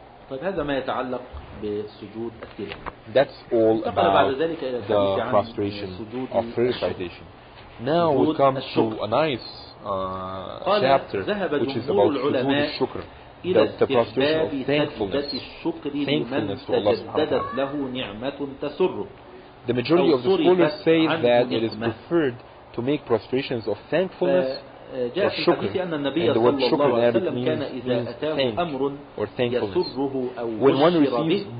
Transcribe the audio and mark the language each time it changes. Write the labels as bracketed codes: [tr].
[ar] طيب هذا ما يتعلق بسجود التلاوة. [en] That's all about the prostration of recitation. Now we come to a nice chapter, which is about سجود الشكر. The prostration of thankfulness to Allah subhanahu wa ta'ala. The majority of the scholars say that it is preferred to make prostrations of thankfulness [ar] جاء في الحديث أن النبي صلى الله عليه وسلم كان إذا أتاه أمر or يسره أو يشرب